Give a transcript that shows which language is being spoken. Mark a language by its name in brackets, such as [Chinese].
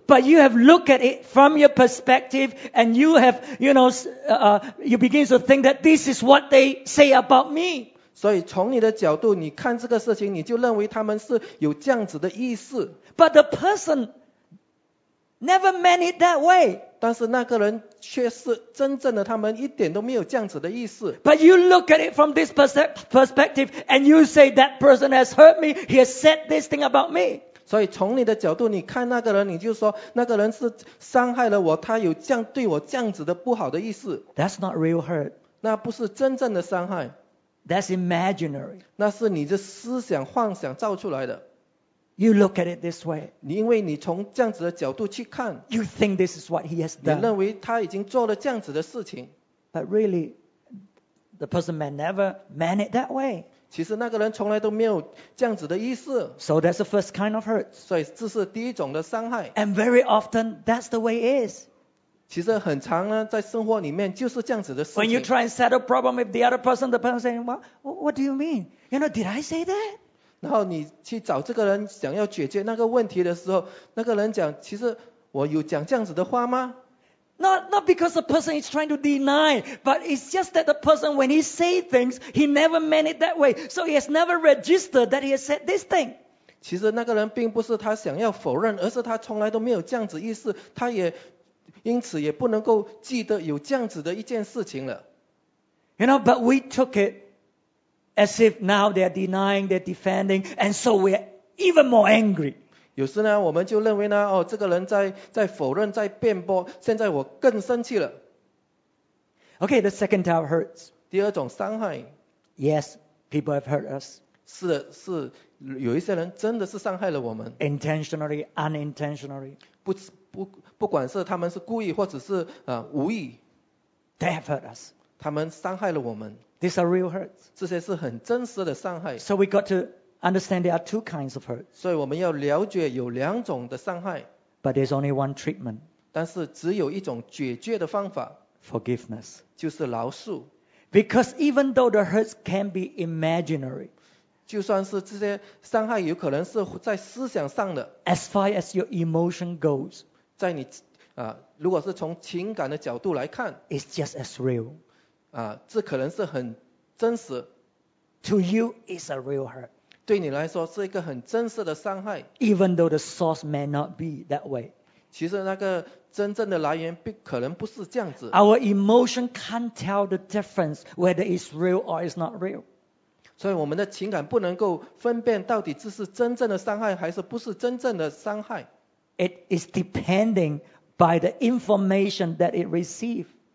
[English] But you have looked at it from your perspective and you have, you know, you begin to think that this is what they say about me. [Chinese] 所以从你的角度，你看这个事情，你就认为他们是有这样子的意思。 [English] But the personNever meant it that way. [Chinese] 但是那个人却是真正的，他们一点都没有这样子的意思。 [English] But you look at it from this perspective, and you say that person has hurt me. He has said this thing about me. [Chinese] 所以从你的角度，你看那个人，你就说那个人是伤害了我，他有这样对我这样子的不好的意思。 [English] That's not real hurt. [Chinese] 那不是真正的伤害。 [English] That's imaginary. [Chinese] 那是你的思想幻想造出来的。 [English] You look at it this way. [Chinese] 因为你从这样子的角度去看。 [English] You think this is what he has done. [Chinese] 你认为他已经做了这样子的事情。 [English] But really, the person may never meant it that way. [Chinese] 其实那个人从来都没有这样子的意思。 [English] So that's the first kind of hurt. [Chinese] 所以这是第一种的伤害。 [English] And very often, that's the way it is. [Chinese] 其实很常呢，在生活里面就是这样子的事情。 [English] When you try and settle problem with the person saying, what do you mean? You know, did I say that? [Chinese] 然后你去找这个人想要解决那个问题的时候，那个人讲，其实我有讲这样子的话吗？ [English] not because the person is trying to deny, but it's just that the person, when he says things, he never meant it that way. So he has never registered that he has said this thing. [Chinese] 其实那个人并不是他想要否认，而是他从来都没有这样子意思，他也因此也不能够记得有这样子的一件事情了。 [English] You know, but we took it as if now they're denying, they're defending, and so we're even more angry. [Chinese] 有时呢，我们就认为呢，哦，这个人在否认，在辩驳，现在我更生气了。 [English] Okay, the second type hurts. [Chinese] 第二种伤害。 [English] Yes, people have hurt us. [Chinese] 是的，是。有一些人真的是伤害了我们 [English] ，intentionally, unintentionally， [Chinese] 不管是他们是故意或者是无意 [English] ，they have hurt us， [Chinese] 他们伤害了我们 [English] ，these are real hurts， [Chinese] 这些是很真实的伤害 [English] ，so we got to understand there are two kinds of hurts， [Chinese] 所以我们要了解有两种的伤害 [English] ，but there's only one treatment， [Chinese] 但是只有一种解决的方法 [English] ，forgiveness， [Chinese] 就是饶恕 [English] ，because even though the hurts can be imaginary。 [Chinese] 就算是这些伤害有可能是在思想上的 [English] As far as your emotion goes [Chinese] 在你如果是从情感的角度来看 [English] It's just as real [Chinese] 这可能是很真实 [English] To you it's a real hurt [Chinese] 对你来说是一个很真实的伤害 [English] Even though the source may not be that way [Chinese] 其实那个真正的来源并可能不是这样子 [English] Our emotion can't tell the difference whether it's real or it's not real [Chinese] 所以我们的情感不能够分辨到底这是真正的伤害还是不是真正的伤害。 [English] It is depending by the information that it receives.